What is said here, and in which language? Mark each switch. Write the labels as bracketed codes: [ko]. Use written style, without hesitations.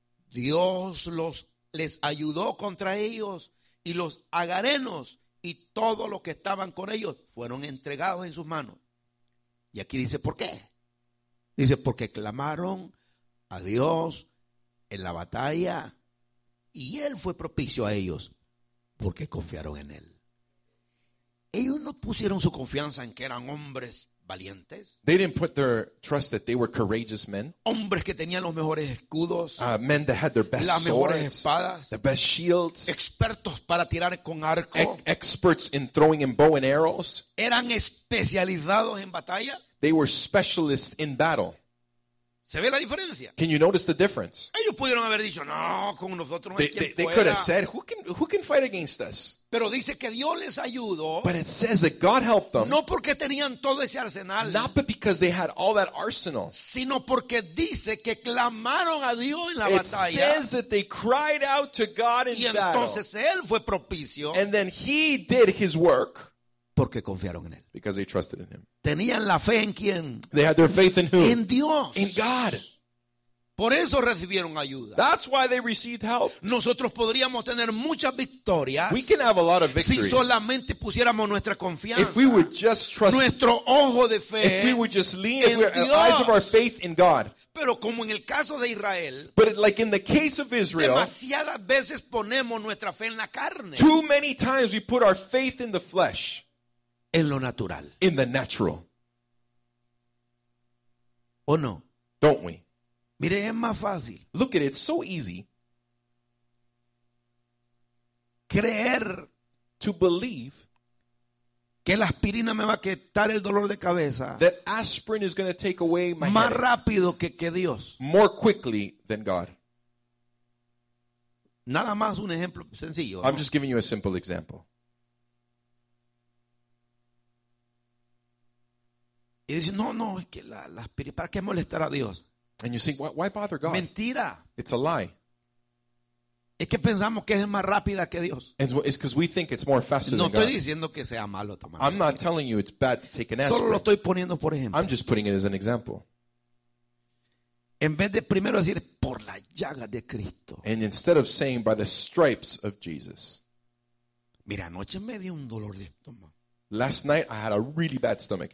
[es] Dios les ayudó contra ellos, y los agarenos y todos los que estaban con ellos fueron entregados en sus manos. Y aquí dice, ¿por qué? Dice, porque clamaron a Dios en la batalla y Él fue propicio a ellos porque confiaron en Él. Ellos no pusieron su confianza en que eran hombres valientes. [en] They didn't put their trust that they were courageous men. [es] Hombres que tenían los mejores escudos. [en] Men that had their best swords. [es] Las mejores espadas. [en] The best shields. [es] Expertos para tirar con arco. [en] Experts in throwing in bow and arrows. [es] Eran especializados en batalla. [en] They were specialists in battle. [es] ¿Se ve la diferencia? [en] Can you notice the difference? [es] Ellos pudieron haber dicho, no, con nosotros no hay quien pueda. [en] They could have said, who can fight against us? [es] Pero dice que Dios les ayudó. [en] But it says that God helped them. [es] No porque tenían todo ese arsenal. [en] Not because they had all that arsenal. [es] Sino porque dice que clamaron a Dios en la batalla. [en] It says that they cried out to God in battle. [es] Y entonces Él fue propicio. [en] And then He did His work. [es] Porque confiaron en Él. [en] Because they trusted in Him. [es] Tenían la fe en quién. [en] They had their faith in who? [es] En Dios. [en] In God. [es] Por eso recibieron ayuda. [en] That's why they received help. [es] Nosotros podríamos tener muchas victorias. [en] We can have a lot of victories. [es] Si solamente pusiéramos nuestra confianza. [en] If we would just trust. [es] Nuestro ojo de fe. [en] If we would just lean. [es] En [en] if we [es] Dios. [en] The eyes of our faith in God. [es] Pero como en el caso de Israel. [en] But like in the case of Israel. [es] Demasiadas veces ponemos nuestra fe en la carne. [en] Too many times we put our faith in the flesh. [es] En lo natural. [en] In the natural. [es] ¿O no? [en] Don't we? [es] Mire, es más fácil. [en] Look at it, it's so easy. [es] Creer. [en] To believe. [es] Que la aspirina me va a quitar el dolor de cabeza. [en] That aspirin is going to take away my [es] más [en] headache. [es] Rápido que Dios. [en] More quickly than God. [es] Nada más un ejemplo sencillo. [en] I'm just giving you a simple example. [es] Y dice, no, es que la aspirina, ¿para qué molestar a Dios? [en] And you think, why bother God? [es] Mentira. [en] It's a lie. [es] Es que pensamos que es más rápida que Dios. [en] It's because we think it's more faster [es] no [en] than God. [es] No estoy diciendo que sea malo tomar. [en] I'm not telling you it's bad to take an aspirin. [es] Solo lo estoy poniendo por ejemplo. [en] I'm just putting it as an example. [es] En vez de primero decir, por la llaga de Cristo. [en] And instead of saying, by the stripes of Jesus. [es] Mira, anoche me dio un dolor de estómago. [en] Last night I had a really bad stomach